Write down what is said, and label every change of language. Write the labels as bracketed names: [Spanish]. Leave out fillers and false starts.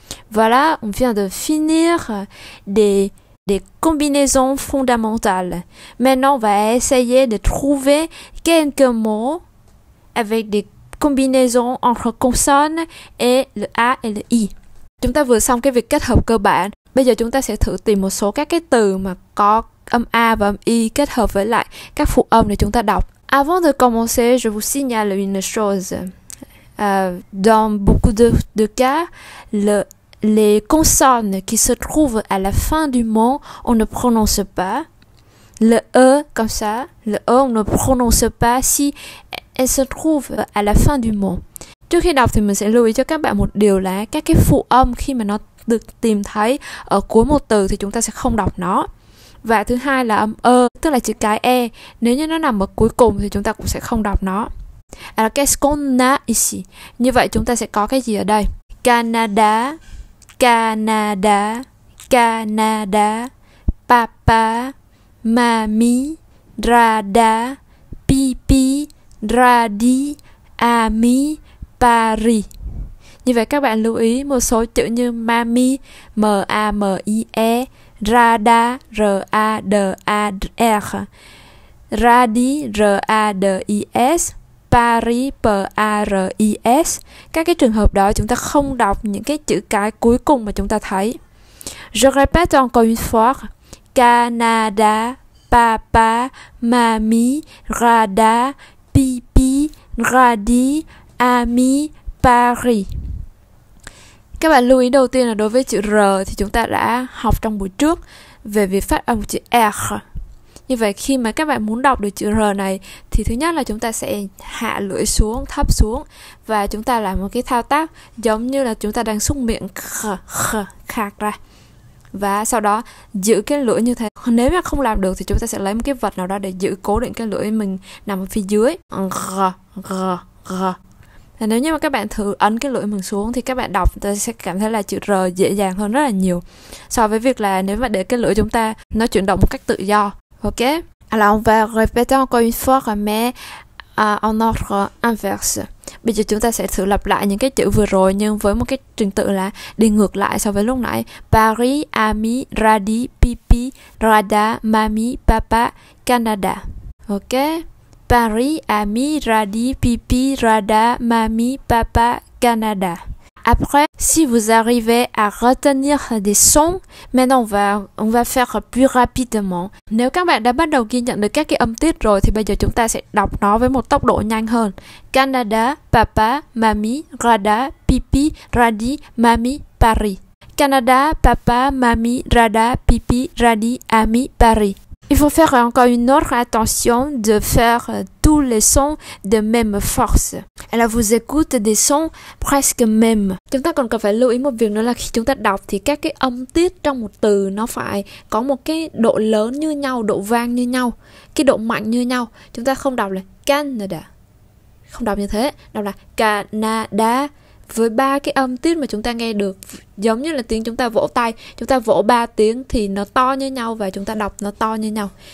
[French] Voilà, on vient de finir des combinaisons fondamentales. Maintenant, on va essayer de trouver quelques mots avec des combinaisons entre consonnes et le A et le I. [Vietnamese] Chúng ta vừa xong cái việc kết hợp cơ bản. Bây giờ chúng ta sẽ thử tìm một số các cái từ mà có âm A và âm I kết hợp với lại các phụ âm để chúng ta đọc. [French] Avant de commencer, je vous signale une chose. Dans beaucoup de cas, les consonnes qui se trouvent à la fin du mot, on ne prononce pas. Le E, comme ça, le E, on ne prononce pas si elle se trouve à la fin du mot. [Vietnamese] Trước khi đọc thì mình sẽ lưu ý cho các bạn một điều là các cái phụ âm khi mà nó được tìm thấy ở cuối một từ thì chúng ta sẽ không đọc nó. Và thứ hai là âm E, tức là chữ cái E. Nếu như nó nằm ở cuối cùng thì chúng ta cũng sẽ không đọc nó. [French] Alors, qu'est-ce qu'on a ici? [Vietnamese] Như vậy chúng ta sẽ có cái gì ở đây? [French] Canada, Canada, Canada, Papa, Mami, Rada, Pipi, Radi, Ami, Paris. [Vietnamese] Như vậy các bạn lưu ý một số chữ như Mami, M-A-M-I-E, Rada, R-A-D-A-R, Radi, R-A-D-I-S, Paris, P-A-R-I-S. Các cái trường hợp đó chúng ta không đọc những cái chữ cái cuối cùng mà chúng ta thấy. [French] Je répète encore une fois. Canada, Papa, Mami, Rada, Pipi, Radi, Ami, Paris. [Vietnamese] Các bạn lưu ý đầu tiên là đối với chữ R thì chúng ta đã học trong buổi trước về việc phát âm chữ R. Như vậy khi mà các bạn muốn đọc được chữ R này thì thứ nhất là chúng ta sẽ hạ lưỡi xuống, thấp xuống và chúng ta làm một cái thao tác giống như là chúng ta đang súc miệng kh kh khạc ra. Và sau đó giữ cái lưỡi như thế. Nếu mà không làm được thì chúng ta sẽ lấy một cái vật nào đó để giữ cố định cái lưỡi mình nằm ở phía dưới. Kh kh kh. Và nếu như mà các bạn thử ấn cái lưỡi mình xuống thì các bạn đọc ta sẽ cảm thấy là chữ R dễ dàng hơn rất là nhiều so với việc là nếu mà để cái lưỡi chúng ta nó chuyển động một cách tự do. Ok. [French] Alors on va répéter encore une fois mais en ordre inverse. [Vietnamese] Bây giờ chúng ta sẽ thử lặp lại những cái chữ vừa rồi nhưng với một cái trình tự là đi ngược lại so với lúc nãy. [French] Paris, Ami, Radi, Pipi, Rada, Mami, Papa, Canada. Ok. Paris, Ami, Radi, Pipi, Rada, Mami, Papa, Canada. Après, si vous arrivez à retenir des sons, maintenant on va faire plus rapidement. [Vietnamese] Nếu các bạn đã bắt đầu ghi nhận được các cái âm tiết rồi thì bây giờ chúng ta sẽ đọc nó với một tốc độ nhanh hơn. [French] Canada, Papa, Mami, Rada, Pipi, Radi, Mami, Paris. Canada, Papa, Mami, Rada, Pipi, Radi, Ami, Paris. Il faut faire encore une autre attention de faire tous les sons de même force. Et là, vous écoutez des sons presque même. [Vietnamese] Chúng ta còn cần phải lưu ý một việc nữa là khi chúng ta đọc thì các cái âm tiết trong một từ nó phải có một cái độ lớn như nhau, độ vang như nhau, cái độ mạnh như nhau. Chúng ta không đọc là Canada, không đọc như thế, đọc là Canada. Với ba cái âm tiết mà chúng ta nghe được giống như là tiếng chúng ta vỗ tay, chúng ta vỗ ba tiếng thì nó to như nhau và chúng ta đọc nó to như nhau.